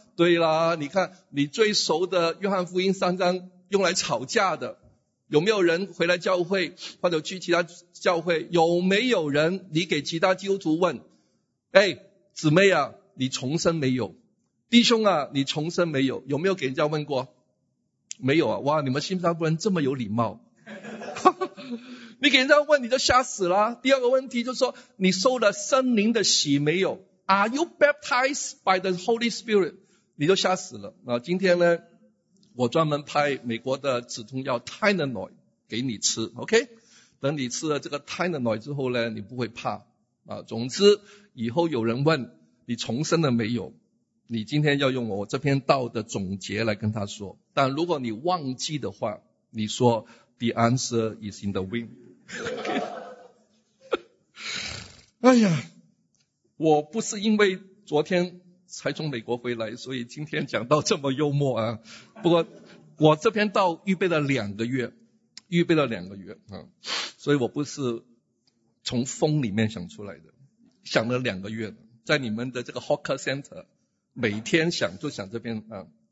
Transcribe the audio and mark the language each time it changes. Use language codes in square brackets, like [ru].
[zh] 对啦，你看你最熟的约翰福音三章用来吵架的，有没有人回来教会或者去其他教会，有没有人你给其他基督徒问，哎，姊妹啊你重生没有，弟兄啊你重生没有，有没有给人家问过？没有啊。哇，你们新加坡人这么有礼貌。你给人家问你就吓死了。第二个问题就是说，你受了圣灵的洗没有？ [en] Are you baptized by the Holy Spirit? [zh] 你就吓死了。今天呢我专门派美国的止痛药 Tylenol 给你吃， OK? 等你吃了这个 Tylenol 之后呢，你不会怕。总之以后有人问你重生了没有，你今天要用我这篇道的总结来跟他说。但如果你忘记的话，你说 [en] The answer is in the wind。 [zh] 哎呀，我不是因为昨天才从美国回来，所以今天讲到这么幽默啊。不过我这篇道预备了两个月，预备了两个月啊，所以我不是从风里面想出来的，想了两个月，在你们的这个 Hawker Center 每天想，就想这篇啊。